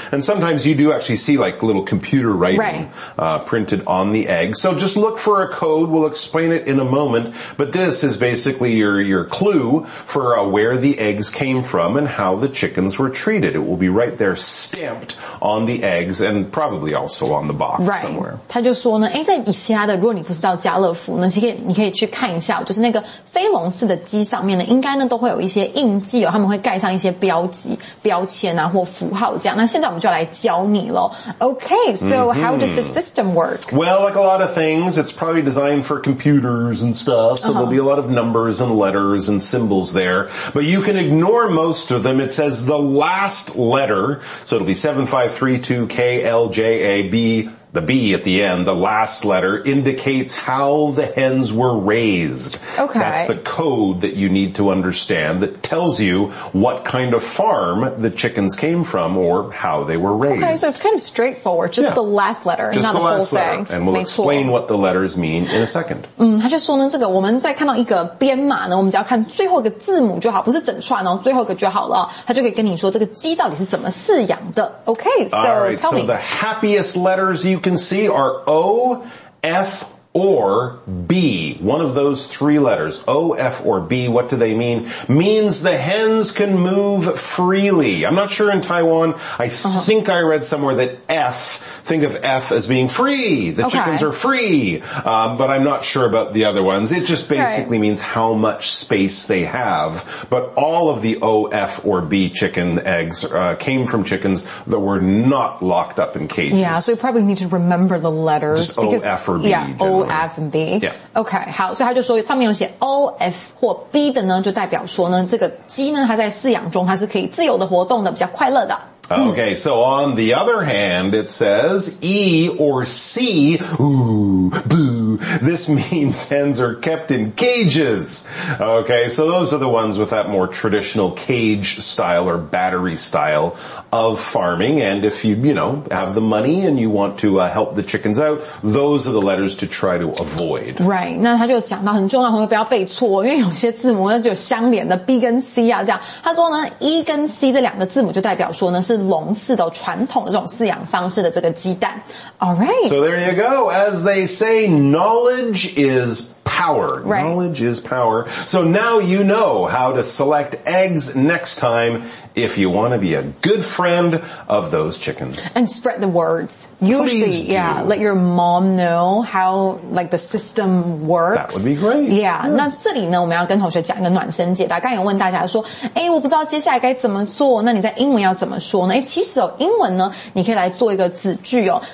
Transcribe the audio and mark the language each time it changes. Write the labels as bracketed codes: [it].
[en] And sometimes you do actually see like little computer writing printed on the egg. So just look for a code. We'll explain it in a moment. But this is basically your clue for where the eggs came from and how the chickens were treated. It will be right there stamped on the eggs and probably also on the box somewhere. [zh] 他就说呢，诶，在以其他的，如果你不是到家乐福呢，你可以去看一下，就是那个飞笼式的鸡上面呢，应该呢都会有一些印记哦，他们会盖上一些标签啊或符号这样。那现在我们就来教你咯。 [en] Okay, so how does the system work? Well, like a lot of things, it's probably designed for computers and stuff, so there'll be a lot of numbers and letters and symbols there. But you can ignore most of them. It says the last letter, so it'll be 7532KLJAB,the B at the end, the last letter, indicates how the hens were raised. Okay. That's the code that you need to understand that tells you what kind of farm the chickens came from or how they were raised. Okay, so it's kind of straightforward, just the last letter, just not the whole thing. Just the last letter, and we'll explain what the letters mean in a second. [zh] 他就说呢，这个我们在看到一个编码呢，我们只要看最后一个字母就好，不是整串哦，最后一个就好了。他就可以跟你说这个鸡到底是怎么饲养的。 [en] Okay, so tell me. All right, so the happiest letters you can see are O, F, or B. One of those three letters. O, F, or B. What do they mean? Means the hens can move freely. I'm not sure in Taiwan. I think I read somewhere that F, think of F as being free. The chickens are free. But I'm not sure about the other ones. It just basically means how much space they have. But all of the O, F, or B chicken eggs came from chickens that were not locked up in cages. Yeah, so you probably need to remember the letters. Just O, F, or B. Yeah, O, F, and B. Yeah. [zh] Okay, 好，所以他就说上面有写 O, F, 或 B 的呢，就代表说呢，这个鸡呢，它在饲养中，它是可以自由的活动的，比较快乐的。 [en] Okay, so on the other hand, it says E or C. Ooh, boo. This means hens are kept in cages. Okay, so those are the ones with that more traditional cage style or battery style of farming. And if you, you know, have the money and you want to help the chickens out, those are the letters to try to avoid. Right. [zh] 那他就讲到很重要，朋友不要背错，因为有些字母就相连的 B 跟 C 啊，这样。他说呢 ，E 跟 C 这两个字母就代表说呢是笼式的传统的这种饲养方式的这个鸡蛋。 [en] All right. So there you go. As they say, knowledge is power. Right. Knowledge is power. So now you know how to select eggs next time if you want to be a good friend of those chickens. And spread the words. Usually, yeah, let your mom know how, like, the system works. That would be great. Yeah. yeah. [zh] 那这里呢我们要跟同学讲一个暖身解答。刚有问大家说诶我不知道接下来该怎么做那你在英文要怎么说呢诶其实哦英文呢你可以来做一个子句哦。